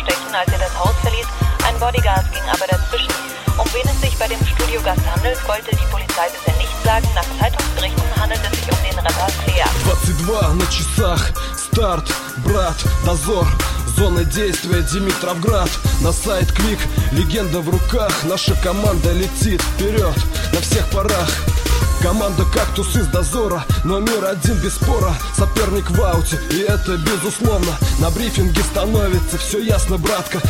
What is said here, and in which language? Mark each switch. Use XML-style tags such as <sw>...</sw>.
<de>Als er das Haus verließ, ein Bodyguard ging aber dazwischen. Um wen es sich bei dem Studiogast handelt, wollte die Polizei bisher nicht sagen. Nach Zeitungsberichten handelt es sich um den Rapper Clea.</de> <ru>22 на часах, Start, Brat, Dazor. Зона действия Димитровград. На сайт клик, легенда в руках. Наша команда летит вперед на всех парах. Команда кактус из дозора, номер один без спора. Соперник в ауте, и это безусловно. На брифинге становится все ясно, братка.</ru>